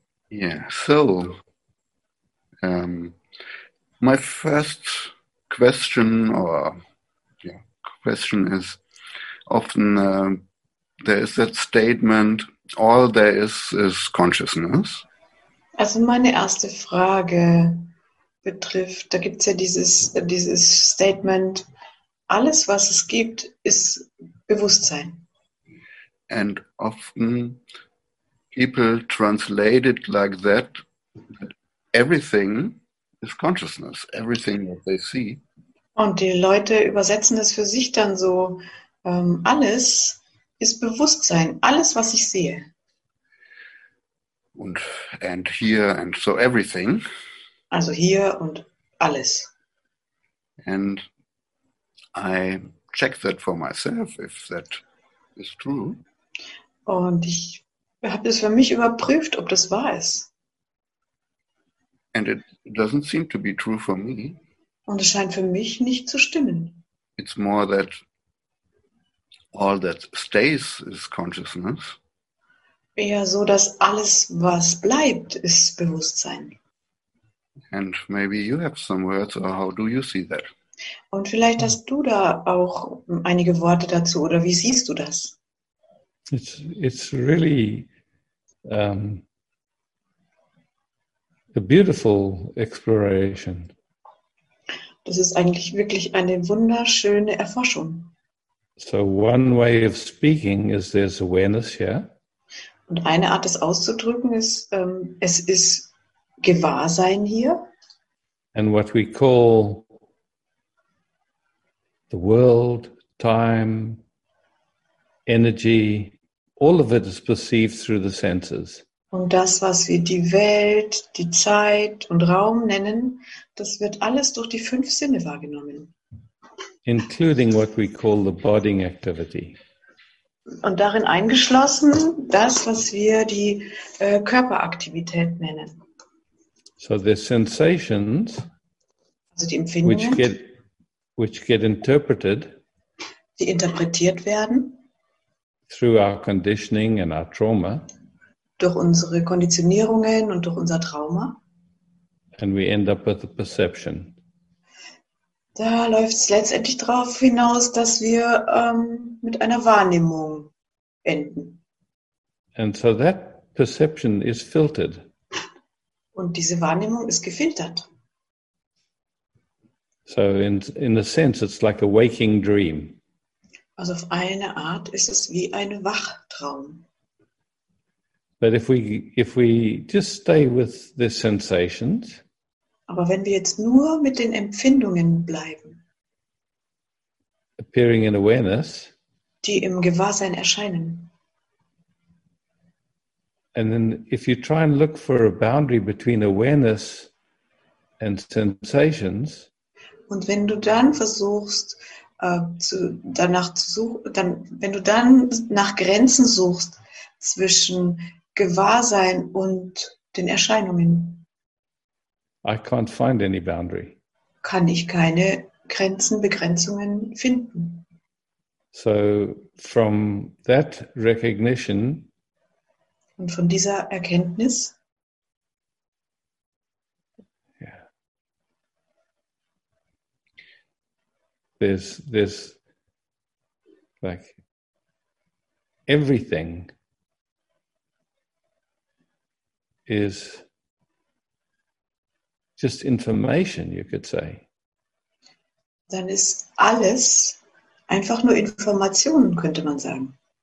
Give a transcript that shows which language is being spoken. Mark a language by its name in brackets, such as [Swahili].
[English] Yeah, so my first question or question is often there is that statement, all there is consciousness. [German] Also meine erste Frage betrifft, da gibt es ja dieses Statement, alles, was es gibt, ist Bewusstsein. [English] And often people translate it like that, everything is consciousness, everything that they see. [German] Und die Leute übersetzen das für sich dann so, alles ist Bewusstsein, alles, was ich sehe. [English] And here and so everything. [German] Also hier und alles. [English] And I check that for myself, if that is true. [German] Und ich habe das für mich überprüft, ob das wahr ist. [English] And it doesn't seem to be true for me. [German] Und es scheint für mich nicht zu stimmen. [English] It's more that all that stays is consciousness. [German] Eher so, dass alles, was bleibt, ist Bewusstsein. [English] And maybe you have some words, or how do you see that? [German] Und vielleicht hast du da auch einige Worte dazu, oder wie siehst du das? [English] It's really a beautiful exploration. [German] Das ist eigentlich wirklich eine wunderschöne Erforschung. [English] So one way of speaking is there's awareness here. [German] Und eine Art, das auszudrücken, ist, es ist Gewahrsein hier. [English] And what we call the world, time, energy, all of it is perceived through the senses. [German] Und das, was wir die Welt, die Zeit und Raum nennen, das wird alles durch die 5 Sinne wahrgenommen. [English] Including what we call the bodying activity. [German] Und darin eingeschlossen, das, was wir die Körperaktivität nennen. [English] So the sensations [German] Also die Empfindungen, [English] which get interpreted [German] die interpretiert werden. [English] through our conditioning and our trauma, [German] Durch unsere Konditionierungen und durch unser Trauma. [English] and we end up with the perception. [German] Da läuft es letztendlich darauf hinaus, dass wir mit einer Wahrnehmung enden. [English] And so that perception is filtered. [German] Und diese Wahrnehmung ist gefiltert. [English] So in a sense, it's like a waking dream. [German] Also auf eine Art ist es wie ein Wachtraum. [English] But if we just stay with the sensations, [German] Aber wenn wir jetzt nur mit den Empfindungen bleiben, [English] appearing in awareness, [German] die im Gewahrsein erscheinen, [English] and then if you try and look for a boundary between awareness and sensations, [German] und wenn du dann versuchst, wenn du dann nach Grenzen suchst zwischen Gewahrsein und den Erscheinungen, [English] I can't find any boundary. [German] kann ich keine Grenzen, Begrenzungen finden. [English] So from that recognition, [German] und von dieser Erkenntnis, [English] yeah, there's like everything is just information, you could say. [German] Dann ist alles einfach nur Informationen, könnte man sagen.